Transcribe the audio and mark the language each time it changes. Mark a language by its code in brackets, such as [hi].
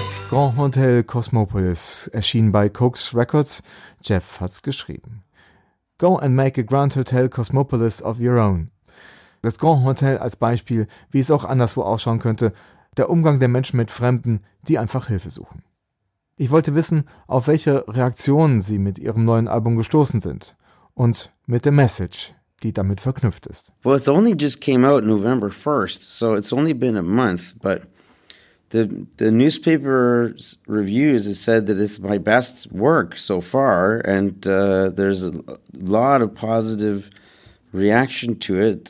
[de] Grand Hotel Cosmopolis, erschien bei Cox Records. Jeff hat's geschrieben. [en] Go and make a Grand Hotel Cosmopolis of your own. [de] Das Grand Hotel als Beispiel, wie es auch anderswo ausschauen könnte, der Umgang der Menschen mit Fremden, die einfach Hilfe suchen. Ich wollte wissen, auf welche Reaktionen sie mit ihrem neuen Album gestoßen sind und mit der Message, die damit verknüpft ist. [en] Well, it's only just came out November 1st, so it's only been a month, but The newspaper's reviews have said that it's my best work so far, and there's a lot of positive reaction to it.